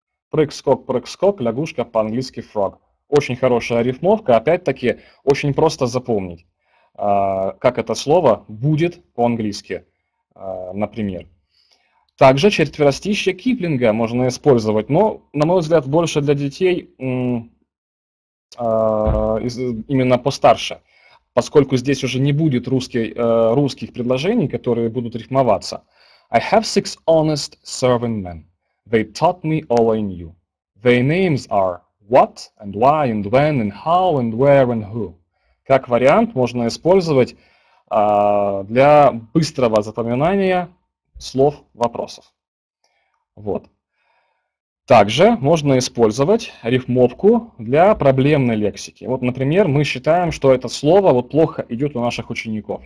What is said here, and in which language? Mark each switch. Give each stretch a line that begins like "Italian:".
Russian: Прыг-скок, прыг-скок, лягушка по-английски frog. Очень хорошая рифмовка, опять-таки очень просто запомнить, как это слово будет по-английски, например. Также четверостишье Киплинга можно использовать, но, на мой взгляд, больше для детей, именно постарше, поскольку здесь уже не будет русских предложений, которые будут рифмоваться.
English: I have six honest serving men. They taught me all I knew. Their names are what and why and when and how and where and who.
Russian: Как вариант можно использовать для быстрого запоминания слов-вопросов. Вот. Также можно использовать рифмовку для проблемной лексики. Вот, например, мы считаем, что это слово вот плохо идет у наших учеников.